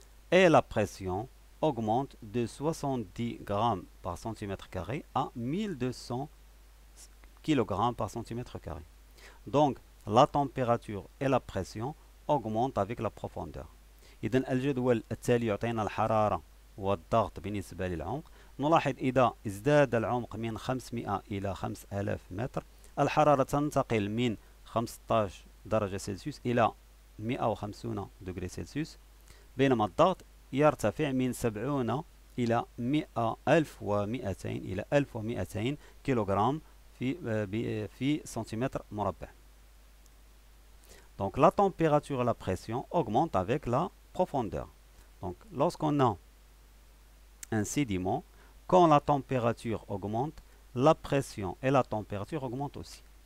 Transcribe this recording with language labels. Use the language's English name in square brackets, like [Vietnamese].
[French] Et la pression augmente de 70 grammes par centimètre carré à 1200 kg par centimètre carré. Donc, la température et la pression augmentent avec la profondeur. [Arabic] إذن الجدول التالي يعطينا الحرارة والضغط بالنسبة للعمق. نلاحظ إذا ازداد العمق من 500 إلى 5000 متر، الحرارة تنتقل من 15 درجة سلسيوس إلى 150 درجة سلسيوس، بينما الضغط يرتفع من 70 إلى 1200 إلى 1200 كيلوغرام في سنتيمتر مربع. [French] Donc la température et la pression augmentent avec la profondeur. Donc lorsqu'on a un sédiment, quand la température augmente, la pression et la température augmentent aussi.